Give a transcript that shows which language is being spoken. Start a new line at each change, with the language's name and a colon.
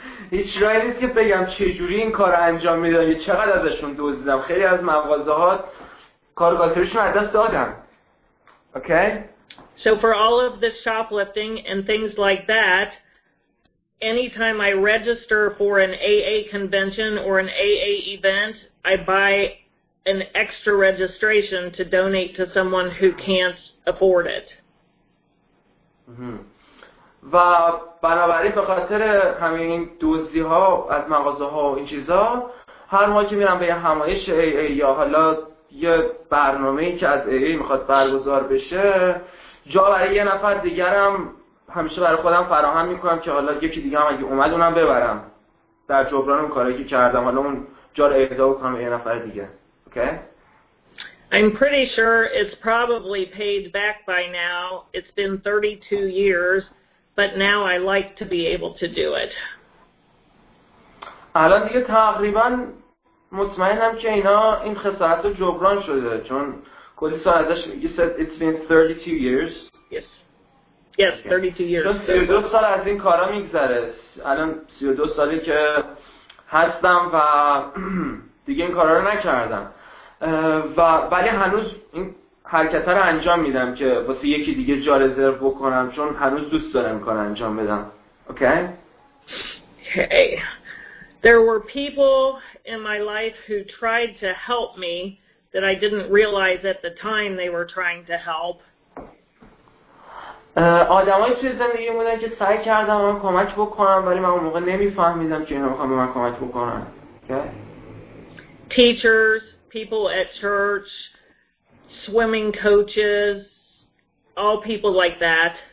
Persian: هیچ رایی نیست که بگم چجوری این کار رو انجام میدادم، چقدر ازشون دزدیدم. خیلی از مغازه‌ها کارگاهشون از دست دادم.
English: Okay? So for all of the shoplifting and things like that, anytime I register for an AA convention or an AA event, I buy an extra registration to donate to someone who can't afford it.
Persian: و بنابراین به خاطر همین دزدی ها از مغازه ها و این چیزا هر ماه که میرم به یه همایش AA یا حالا یه برنامه ای که از AA میخواد برگزار بشه جا برای یه نفر دیگرم همیشه برای خودم فراهم میکنم که حالا یکی دیگه هم اگه اومد اونم ببرم در جبران اون کارهایی که کردم حالا اون جا رو اهدا بکنم به یه نفر دیگه.
English: Okay? I'm pretty sure it's probably paid back by now. It's been 32 years, but now I like to be able to do it.
Persian: الان دیگه تقریبا مطمئنم که اینا این خسارت رو جبران شده چون کلی سال ازش
English: you said it's been 32 years. Yes, 32 years.
Persian: چون 32 سال از این کارا میگذره. الان 32 سالی که هستم و دیگه این کارا رو نکردم. و ولی هنوز این حرکت رو انجام میدم که واسه یکی دیگه جا رزرو بکنم چون هنوز دوست دارم کار انجام بدم. اوکی؟
English: Okay. There were people in my life who tried to help me that I didn't realize at the time they were trying to help.
Persian: آدمای توی زندگی بودن که سعی کردن من کمک بکنن ولی من اون موقع نمیفهمیدم که اینا میخوان به من کمک بکنن.
English: Teachers, people at church, swimming coaches, all people like that.